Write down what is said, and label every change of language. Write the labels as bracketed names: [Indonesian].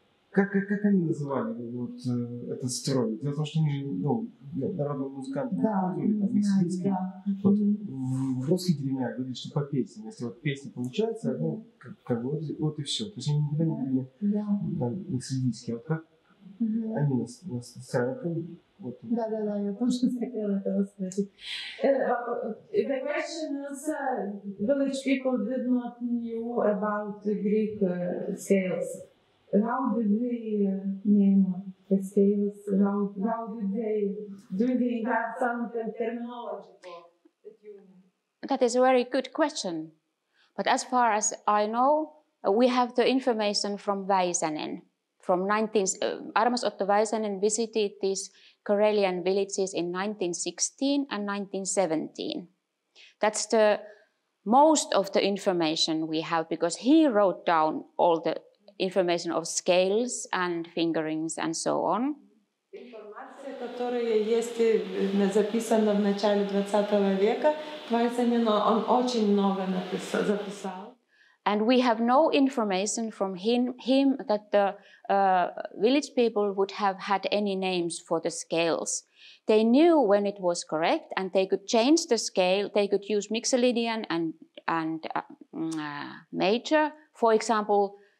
[Russian] Как они называли вот этот строй? Дело в том, что они же народные музыканты, в русских деревнях говорили, что по песням, если вот песня получается, вот и все. То есть они никогда не были мексидийские. Вот как они нас сравнивали? Да, я тоже хотела этого спросить. [English] The question is, village people did not know about the Greek scales. How did they name the scales? How did they do? They have some terminology for the tuning. That is a very good question, but as far as I know, we have the information from Väisänen, from 19th. Armas Otto Väisänen visited these Karelian villages in 1916 and 1917. That's the most of the information we have, because he wrote down all the information of scales and fingerings and so on. [Russian] Информация, которая есть записана в начале 20 века, Вайсенен он очень много записал. [English] And we have no information from him that the village people would have had any names for the scales. They knew when it was correct, and they could change the scale. They could use mixolydian and major, for example.